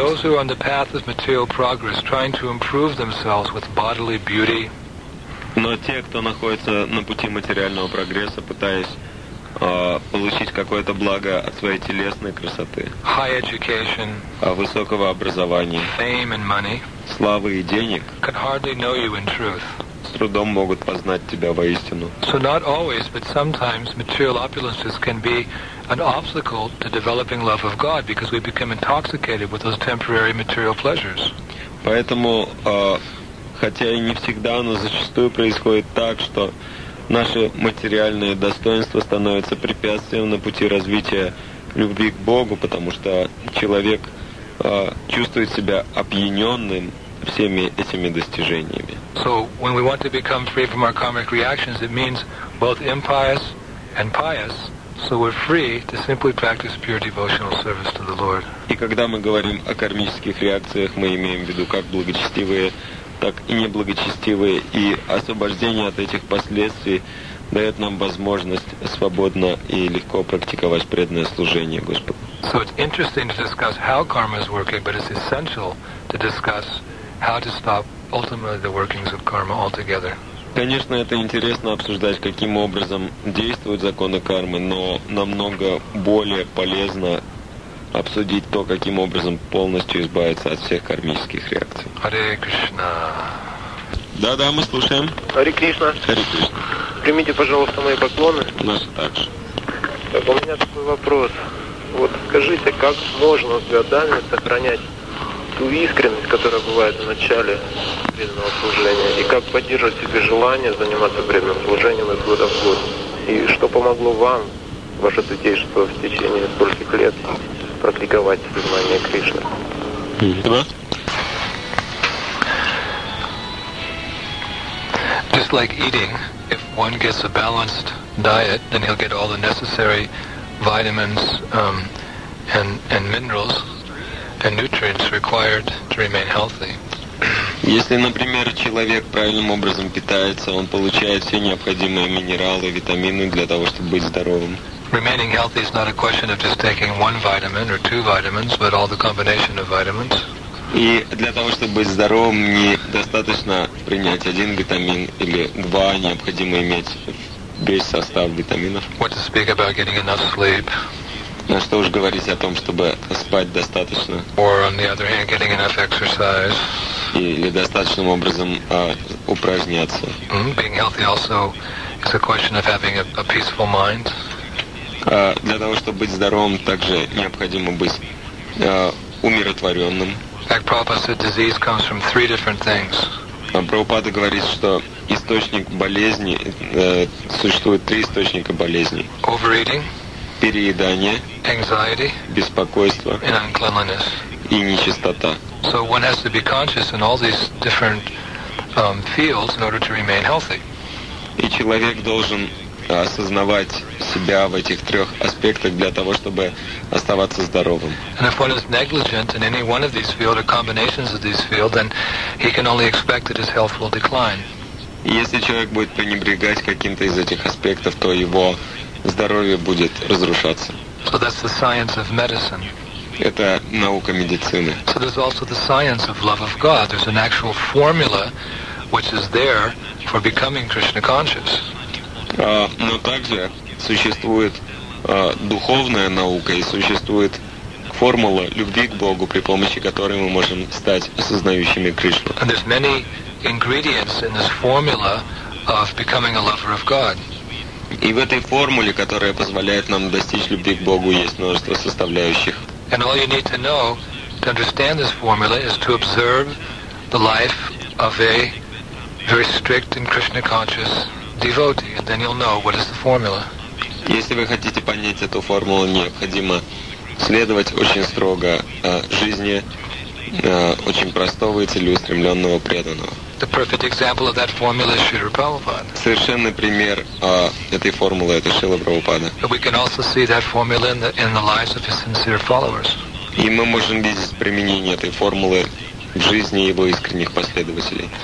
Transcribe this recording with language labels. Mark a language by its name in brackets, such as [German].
[English] That those who are on the path of material progress, trying to improve themselves with bodily beauty. [Russian] Но те, кто находится на пути материального прогресса, пытаясь получить какое-то благо от своей телесной красоты. [English] High education. [Russian] Высокого образования. [English] Fame and money. [Russian] Славы и денег. [English] Can hardly know you in truth. [Russian] С трудом могут познать тебя воистину. [English] So not always, but sometimes material opulences can be an obstacle to developing love of God because we become intoxicated with those temporary material pleasures. [Russian] Поэтому, хотя и не всегда, но зачастую происходит так, что наши материальные достоинства становятся препятствием на пути развития любви к Богу, потому что человек чувствует себя опьяненным всеми этими достижениями. [English] So when we want to become free from our karmic reactions, it means both impious and pious, so we're free to simply practice pure devotional service to the Lord. [Russian] И когда мы говорим о кармических реакциях, мы имеем в виду как благочестивые, так и неблагочестивые, и освобождение от этих последствий дает нам возможность свободно и легко практиковать преданное служение Господу. [English] So it's interesting to discuss how karma is working, but it's essential to discuss how to stop ultimately the workings of karma altogether. [Russian] Конечно, это интересно обсуждать, каким образом действуют законы кармы, но намного более полезно обсудить то, каким образом полностью избавиться от всех кармических реакций. Харе Кришна. Да-да, мы слушаем. Харе Кришна. Харе Кришна. Примите, пожалуйста, мои поклоны. У нас также. Так, у меня такой вопрос. Вот скажите, как можно с годами сохранять ту искренность, которая бывает в начале преданного служения, и как поддерживать себе желание заниматься преданным служением из года в год, и что помогло вам, ваше святейшество, в течение стольких лет практиковать сознание Кришны? Да. [English] Just like eating, if one gets a balanced diet, then he'll get all the necessary vitamins and minerals and nutrients required to remain healthy. [Russian] Если, например, человек правильным образом питается, он получает все необходимые минералы, витамины для того, чтобы быть здоровым. [English] Remaining healthy is not a question of just taking one vitamin or two vitamins, but all the combination of vitamins. [Russian] И для того, чтобы быть здоровым, недостаточно принять один витамин или два, необходимо иметь весь состав витаминов. [English] What to speak about getting enough sleep? [Russian] На что уж говорить о том, чтобы спать достаточно. [English] Or on the other hand, getting enough exercise. [Russian] Или достаточным образом упражняться. [English] Being healthy also is a question of having a peaceful mind. [Russian] Для того, чтобы быть здоровым, также необходимо быть умиротворенным. [English] Like Prabhupada said, disease comes from three different things. [Russian] Прабхупада говорит, что источник болезни, существует три источника болезни. [English] Overeating. [Russian] Переедание. [English] Anxiety. [Russian] Беспокойство. [English] And uncleanliness. [Russian] И нечистота. [English] So one has to be conscious in all these different fields in order to remain healthy. [Russian] И человек должен осознавать себя в этих трех аспектах для того, чтобы оставаться здоровым. [English] And if one is negligent in any one of these fields or combinations of these fields, then he can only expect that his health will decline. [Russian] Если человек будет пренебрегать каким-то из этих аспектов, то его здоровье будет разрушаться. [English] So that's the science of medicine. [Russian] Это наука медицины. [English] So there's also the science of love of God. There's an actual formula which is there for becoming Krishna conscious. [Russian] Но также существует духовная наука и существует формула любви к Богу, при помощи которой мы можем стать осознающими Кришну. [English] And there's many ingredients in this formula of becoming a lover of God. [Russian] И в этой формуле, которая позволяет нам достичь любви к Богу, есть множество составляющих. [English] And all you need to know to understand this formula is to observe the life of a very strict and Krishna conscious devotee, and then you'll know what is the formula. [Russian] Если вы хотите понять эту формулу, необходимо следовать очень строго жизни очень простого и целеустремленного преданного. [English] The perfect example of that formula is Srila Prabhupada. [Russian] Совершенный пример этой формулы — это Шрила Прабхупада. [English] We can also see that formula in the lives of his sincere followers. [Russian] И мы можем видеть применение этой формулы в жизни его искренних последователей.